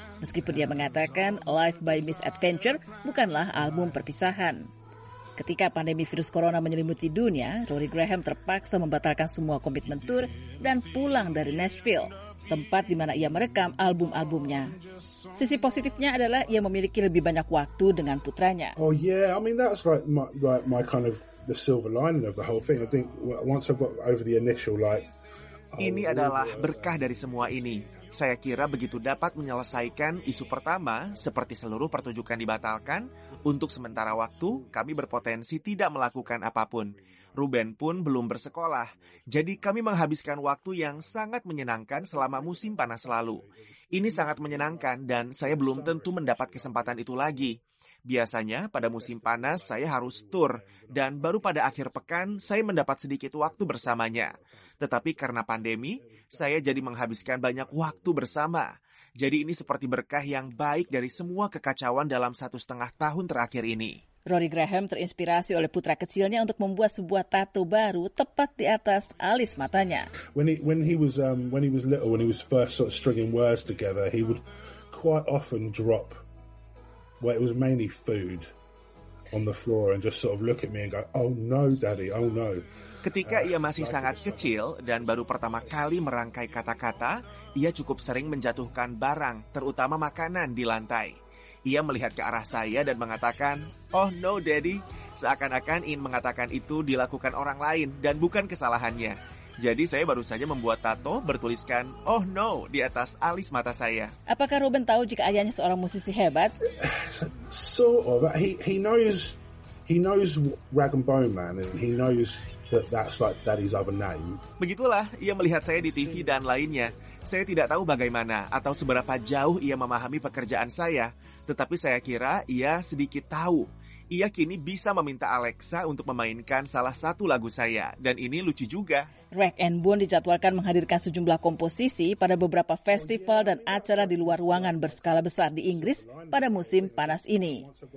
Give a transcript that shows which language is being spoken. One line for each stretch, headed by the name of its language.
Indonesian: Meskipun dia mengatakan Life by Misadventure bukanlah album perpisahan. Ketika pandemi virus corona menyelimuti dunia, Rory Graham terpaksa membatalkan semua komitmen tour dan pulang dari Nashville, tempat di mana ia merekam album-albumnya. Sisi positifnya adalah ia memiliki lebih banyak waktu dengan putranya.
English: Oh yeah, I mean that's like my kind of the silver lining of the whole thing. I think once I got over the initial like.
Indonesian: Ini adalah berkah dari semua ini. Saya kira begitu dapat menyelesaikan isu pertama, seperti seluruh pertunjukan dibatalkan, untuk sementara waktu, kami berpotensi tidak melakukan apapun. Ruben pun belum bersekolah, jadi kami menghabiskan waktu yang sangat menyenangkan selama musim panas lalu. Ini sangat menyenangkan dan saya belum tentu mendapat kesempatan itu lagi. Biasanya pada musim panas saya harus tur dan baru pada akhir pekan saya mendapat sedikit waktu bersamanya. Tetapi karena pandemi, saya jadi menghabiskan banyak waktu bersama. Jadi ini seperti berkah yang baik dari semua kekacauan dalam 1,5 tahun terakhir ini. Rory Graham terinspirasi oleh putra kecilnya untuk membuat sebuah tato baru tepat di atas alis matanya.
English: When he was little, when he was first sort of stringing words together, he would quite often drop, well, it was mainly food on the floor and just sort of look at me and go, oh no, daddy, oh no.
Indonesian: Ketika ia masih sangat kecil dan baru pertama kali merangkai kata-kata, ia cukup sering menjatuhkan barang, terutama makanan, di lantai. Ia melihat ke arah saya dan mengatakan,
English: oh no, daddy,
Indonesian: seakan-akan ingin mengatakan itu dilakukan orang lain dan bukan kesalahannya. Jadi saya baru saja membuat tato bertuliskan,
English: oh no,
Indonesian: di atas alis mata saya. Apakah Ruben tahu jika ayahnya seorang musisi hebat?
English: Sort of. He knows Rag and Bone Man and he knows that's like daddy's other name.
Indonesian: Begitulah, ia melihat saya di TV dan lainnya. Saya tidak tahu bagaimana atau seberapa jauh ia memahami pekerjaan saya. Tetapi saya kira ia sedikit tahu. Ia kini bisa meminta Alexa untuk memainkan salah satu lagu saya. Dan ini lucu juga. Rag and Bone dijadwalkan menghadirkan sejumlah komposisi pada beberapa festival dan acara di luar ruangan berskala besar di Inggris pada musim panas ini.